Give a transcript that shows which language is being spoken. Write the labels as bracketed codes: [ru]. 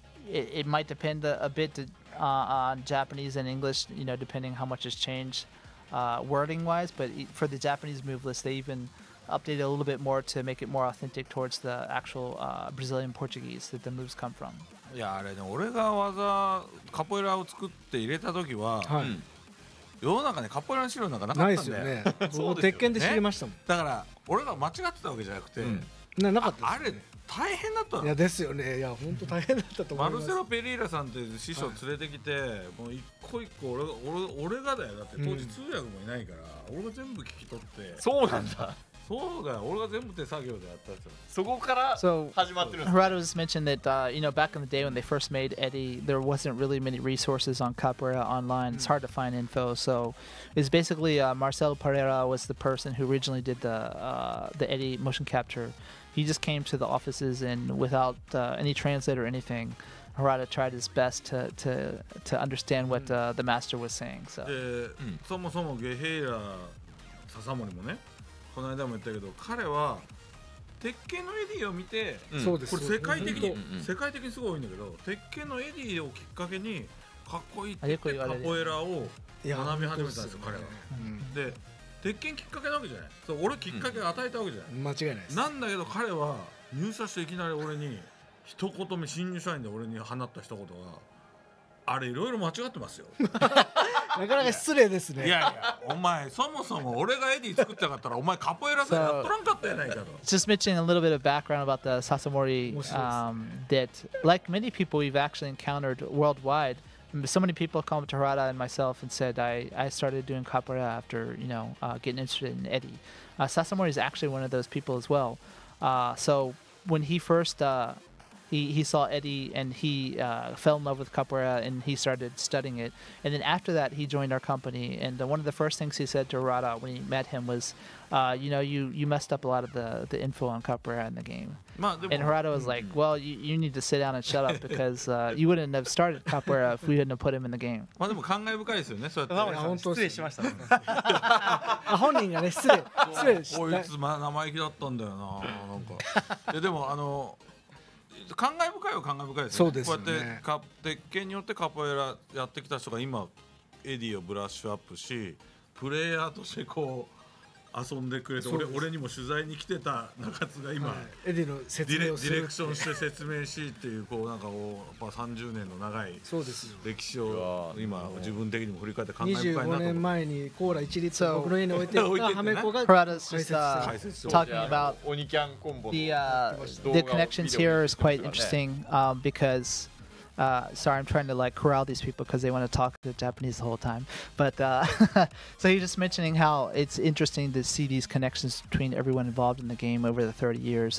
[en] It might depend a bit on Japanese and English, you know, depending how much has changed wording wise, but for the Japanese move list, they evenupdate a little bit more to make it more authentic towards the actual Brazilian Portuguese that the moves come from. [ja] いやあれね、俺が技カポエラを作って入れた時は、はい、世の中ねカポエラの資料なんかなかったんだよ。ないですよね。そうですよね。鉄拳で知りましたもん。ね、だから俺が間違ってたわけじゃなくて、うん、なかったです、ね。あれ大変だったの。いやですよね。いや本当大変だったと思います。マルセロペリーラさんって師匠連れてきて、はい、もう一個一個俺がだよ、だって当時通訳もいないから、うん、俺が全部聞き取って。そうなんだ。そうだよ、俺が全部手作業でやったんですよ。そこから始まってるんですよ。 [en] Harada was mentioned that, you know, back in the day when they first made Eddie, there wasn't really many resources on Capoeira online. It's hard to find info. So it's basically Marcelo Pereira was the person who originally did the Eddie motion capture. He just came to the offices and without any translator or anything, Harada tried his best to understand what the master was saying. So. [ja] そもそもゲヘイラ笹森もね、この間も言ったけど、彼は鉄拳のエディを見て、うん、これ世界的に、うん、世界的にすごいんだけど、鉄拳のエディをきっかけにかっこいいって言ってカポエラを学び始めたんですよ、彼は、うん、で、鉄拳きっかけなわけじゃない、そう、俺きっかけ与えたわけじゃない、うん、間違いないです。なんだけど彼は入社していきなり俺に一言目、新入社員で俺に放った一言が、あれいろいろ間違ってますよなかなか失礼ですね。いやいや、お前そもそも俺がエディ作ってなかったらお前カポエラさんやっとらんかったやないかと。 [en] Just mentioning a little bit of background about the Sasamori、 [ja] ね、 [en] that like many people we've actually encountered worldwide, so many people come to Harada and myself and said I started doing capoeira after, you know, getting interested in Eddie. Sasamori is actually one of those people as well. So when he firstHe saw Eddie and he fell in love with capoeira and he started studying it. And then after that, he joined our company. And one of the first things he said to Rada when he met him was, you know, you messed up a lot of the info on capoeira in the game. And Rada was like, well, you need to sit down and shut up because you wouldn't have started capoeira if we hadn't have put him in the game. [ja] まあでも感慨深いですよね。そうやって、ね、本当失礼しました。本人がね失礼した。こいつ生意気だったんだよな。なんかでも感慨深いは感慨深いですね。そうですよね。こうやって鉄拳によってカポエラやってきた人が今エディをブラッシュアップし、プレイヤーとしてこう遊んでくれて、俺にも取材に来てた中津が今、はい、エディの説明をするディレクションして説明しっていうこうなんかこうやっぱ30年の長い歴史を今自分的にも振り返って感慨深いなと思う。 25 年前にコーラ1リットル僕の家に置いてハメコが解説した [en] talking about [ja] オニキャンコンボの [en] the connections here is quite interesting becauseSorry, I'm trying to like corral these people because they want to talk the Japanese the whole time. But so you're just mentioning how it's interesting to see these connections between everyone involved in the game over the 30 years.